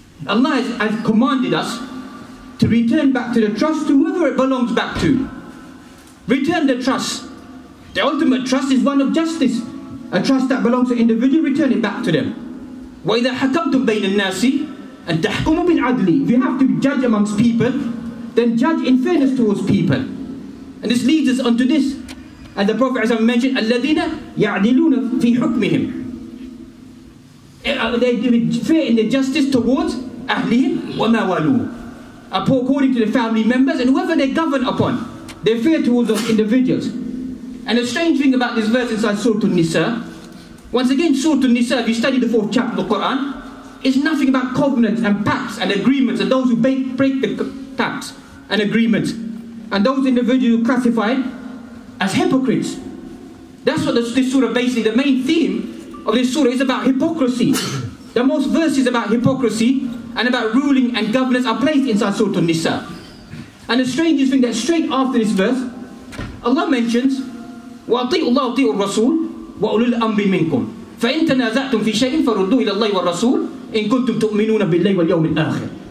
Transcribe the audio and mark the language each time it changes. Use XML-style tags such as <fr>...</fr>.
<en>Allah has commanded us to return back to the trust to whoever it belongs back to. Return the trust. The ultimate trust is one of justice. A trust that belongs to an individual, return it back to them.</en> <ar>وَإِذَا حَكَمْتُمْ بَيْنَ النَّاسِ أَن تَحْكُمُوا بِالْعَدْلِ.</ar> <en>If you have to judge amongst people, then judge in fairness towards people. And this leads us onto this. And the Prophet ﷺ mentioned,</en> <ar>الَّذِينَ يَعْدِلُونَ فِي حُكْمِهِمْ.</ar> <en>They give fair in their justice towards</en> <ar>أَهْلِهِمْ وَمَا وَلُوهُ.</ar> <en>According to the family members and whoever they govern upon, they fear towards those individuals. And a strange thing about this verse inside Surah An-Nisa, once again, Surah An-Nisa, if you study the fourth chapter of the Quran, it's nothing about covenants and pacts and agreements and those who break the pacts and agreements and those individuals classified as hypocrites. That's what this surah basically, the main theme of this surah is about hypocrisy. The most verses about hypocrisy and about ruling and governance are placed inside Surah An-Nisa. And the strangest thing that straight after this verse, Allah mentions,</en> <ar>وَأَطِيعُوا اللَّهَ وَأَطِيعُوا الرَّسُولَ وَأُولُو الْأَمْرِ مِنْكُمْ فَإِنْ تَنَازَعْتُمْ فِي شَيْءٍ فَرُدُّوهُ إِلَى اللَّهِ وَالرَّسُولِ إِنْ كُنْتُمْ تُؤْمِنُونَ بِاللَّهِ وَالْيَوْمِ الْآخِرِ.</ar>